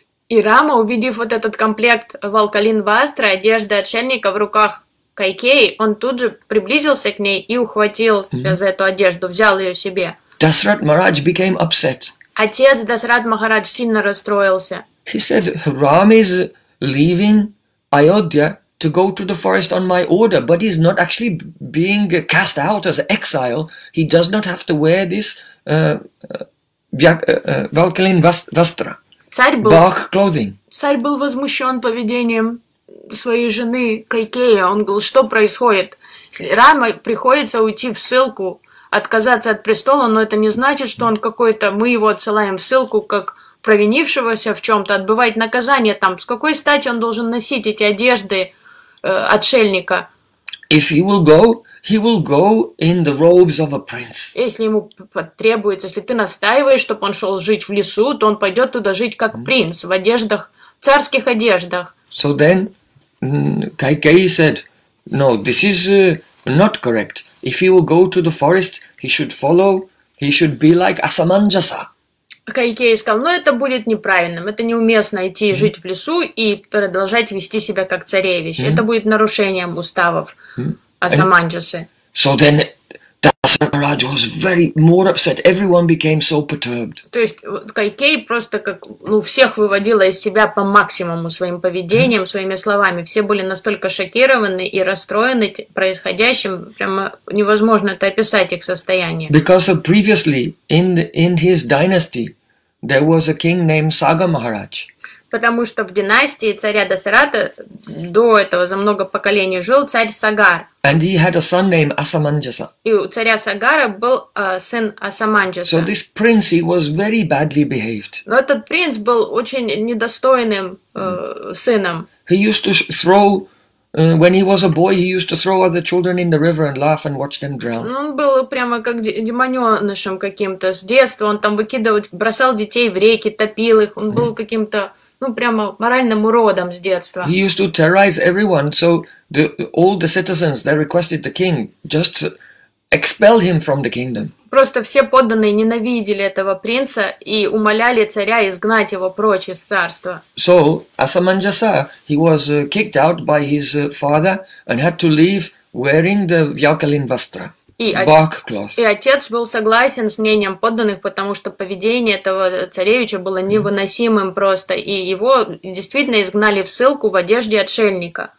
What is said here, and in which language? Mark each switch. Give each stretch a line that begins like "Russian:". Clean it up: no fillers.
Russian: И Рама, увидев вот этот комплект Vyalkalin Vastra, одежды отшельника в руках Кайкеи, он тут же приблизился к ней и ухватил за эту одежду, взял ее себе.
English: Dasarath Maharaj became upset.
Russian: Отец Дасарат Махарадж сильно расстроился.
English: He said, Ram is leaving Ayodhya to go to the forest on my order, but he's not actually being cast out as exile. He does not have to wear this Vyalkalin Vastra. Bark clothing.
Russian: Царь был возмущен поведением своей жены Кайкеи. Он говорил, что происходит? Рама приходится уйти в ссылку, отказаться от престола, но это не значит, что он какой-то, мы его отсылаем в ссылку, как провинившегося в чем-то, отбывать наказание там. С какой стати он должен носить эти одежды отшельника.
English: If he will go, he will go in the robes of a prince.
Russian: Если ему потребуется, если ты настаиваешь, чтобы он шел жить в лесу, то он пойдет туда жить как принц в одеждах, в царских одеждах.
English: So then, Кайкеи said, no, this is not correct. If he will go to the forest, he should follow. He should be like Асаманджаса.
Russian: Кайкеи сказал, но это будет неправильным, это неуместно идти жить в лесу и продолжать вести себя как царевич. Это будет нарушением уставов Асаманджасы.
English: So then, Дасараджа was very more upset. Everyone became so perturbed.
Russian: То есть Кайкеи просто как всех выводила из себя по максимуму своим поведением, своими словами. Все были настолько шокированы и расстроены происходящим, прямо невозможно это описать их состояние.
English: Because previously in his dynasty there was a king named Сага Махарадж.
Russian: Потому что в династии царя Дасарата до этого за много поколений жил царь Сагар.
English: And he had a son named Асаманджаса.
Russian: И у царя Сагара был сын Асаманджаса.
English: So this prince, he was very badly behaved.
Russian: Но этот принц был очень недостойным сыном.
English: He used to throw, when he was a boy, he used to throw other children in the river and laugh and watch them drown.
Russian: Он был прямо как демонёнышем каким-то с детства. Он там выкидывал, бросал детей в реки, топил их. Он был каким-то прямо моральным уродом с детства.
English: He used to terrorize everyone, so all the citizens, they requested the king just expel him from the kingdom.
Russian: Просто все подданные ненавидели этого принца и умоляли царя изгнать его прочь из царства.
English: So Асаманджаса, he was kicked out by his father and had to leave wearing the vyakalin vastra.
Russian: И отец был согласен с мнением подданных, потому что поведение этого царевича было невыносимым просто, и его действительно изгнали в ссылку в одежде отшельника,